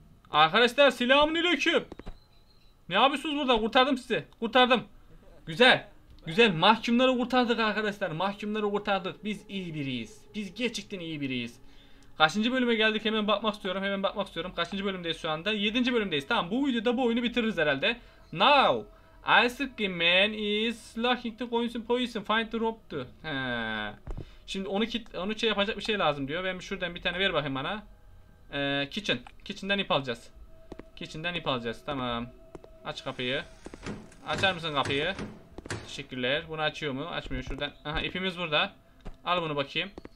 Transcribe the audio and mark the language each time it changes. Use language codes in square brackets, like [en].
[tr] Arkadaşlar selamünaleyküm. Ne yapıyorsunuz burada? Kurtardım sizi. Kurtardım. Güzel. Güzel. Mahkumları kurtardık arkadaşlar. Mahkumları kurtardık. Biz iyi biriyiz. Biz gerçekten iyi biriyiz. Kaçıncı bölüme geldik? Hemen bakmak istiyorum. Hemen bakmak istiyorum. Kaçıncı bölümdeyiz şu anda? 7. bölümdeyiz. Tamam bu videoda bu oyunu bitiririz herhalde. [en] Now Ice Cream Man is locking the coins in poison. Find the rope to. [tr] Şimdi onu kit, onu şey yapacak bir şey lazım diyor. Ben şuradan bir tane ver bakayım bana. Kitchen. Kitchen'den ip alacağız. Kitchen'den ip alacağız. Tamam. Aç kapıyı. Açar mısın kapıyı? Teşekkürler. Bunu açıyor mu? Açmıyor şuradan. Aha ipimiz burada. Al bunu bakayım.